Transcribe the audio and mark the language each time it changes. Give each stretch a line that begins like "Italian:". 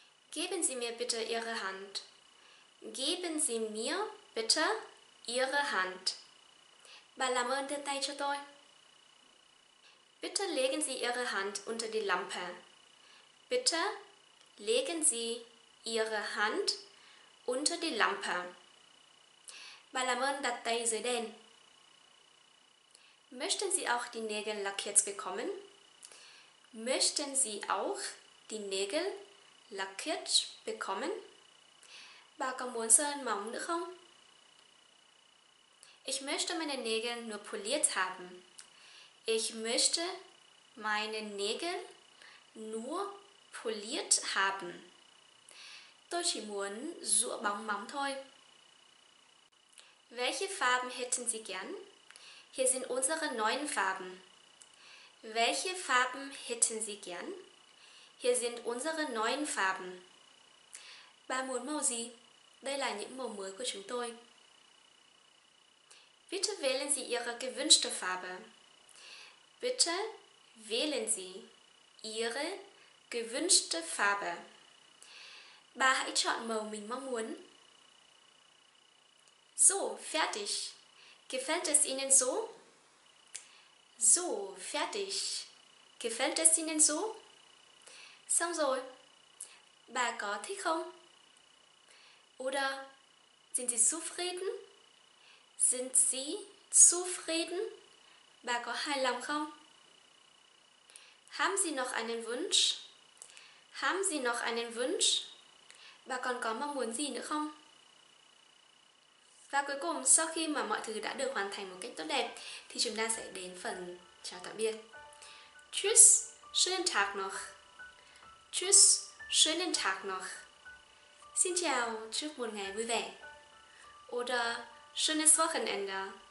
German: Geben Sie mir bitte Ihre Hand. Geben Sie mir bitte Ihre Hand.
Vietnamese: Bà làm ơn đưa tay cho tôi.
German: Bitte legen Sie Ihre Hand unter die Lampe. Bitte legen Sie Ihre Hand unter die Lampe.
Vietnamese: Bà làm ơn đặt tay dưới đèn.
German: Möchten Sie auch die Nägel lackiert bekommen? Möchten Sie auch die Nägel lackiert bekommen?
Vietnamese: Bà có muốn sơn móng nữa không?
German: Ich möchte meine Nägel nur poliert haben. Ich möchte meine Nägel nur poliert haben.
Vietnamese: Tôi chỉ muốn rũa bóng móng thôi.
German: Welche Farben hätten Sie gern? Hier sind unsere neuen Farben. Welche Farben hätten Sie gern? Hier sind unsere neuen Farben.
Vietnamese: Bà muốn màu gì? Đây là những màu mới của chúng tôi.
German: Bitte wählen Sie Ihre gewünschte Farbe. Bitte wählen Sie Ihre gewünschte Farbe.
Vietnamese: Bà hãy chọn màu mình mong muốn.
German: So, fertig. Gefällt es Ihnen so? So, fertig. Gefällt es Ihnen so?
Vietnamese: Xong rồi. Bà có thích không?
German: Oder sind Sie zufrieden? Sind Sie zufrieden?
Vietnamese: Bà có hài lòng không?
German: Haben Sie noch einen Wunsch? Haben Sie noch einen Wunsch?
Vietnamese: Bà còn có mong muốn gì nữa không? Và cuối cùng, sau khi mà mọi thứ đã được hoàn thành một cách tốt đẹp, thì chúng ta sẽ đến phần chào tạm biệt.
German: Tschüss, schönen Tag noch. Tschüss, schönen Tag noch.
Vietnamese: Xin chào, chúc một ngày vui vẻ.
German: Oder schönes Wochenende.